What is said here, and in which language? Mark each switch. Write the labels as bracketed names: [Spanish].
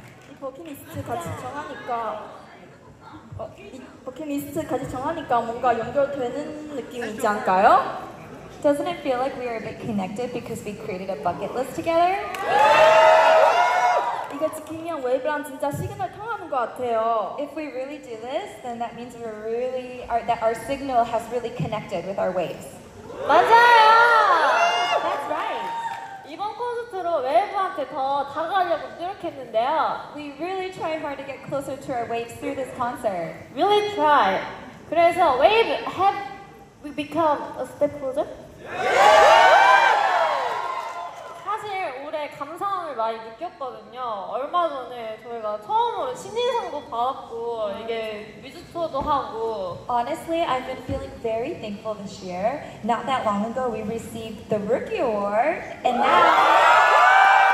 [Korean] 이 버킷리스트 같이 정하니까 이 버킷리스트 같이 정하니까 뭔가 연결되는 느낌이지 않을까요? [English] Doesn't it feel like we are a bit connected because we created a bucket list together? [Korean] 이거 지키면 웨이브랑 진짜 시그널 통하는 것 같아요. [English] If we really do this, then that means we're really that our signal has really connected with our waves. [Korean] 맞아요. [English] That's right. [Korean] 이번 콘서트로 웨이브한테 더 다가가려고 노력했는데요. [English] We really try hard to get closer to our waves through this concert. Really try. [Korean] 그래서 웨이브 [English] have we become a step closer? Yeah! [Korean] 사실 올해 감사함을 많이 느꼈거든요. 얼마 전에 저희가 처음으로 신인상도 받았고 이게 뮤지투어도 하고. [English] Honestly, I've been feeling very thankful this year. Not that long ago, we received the Rookie Award, and now.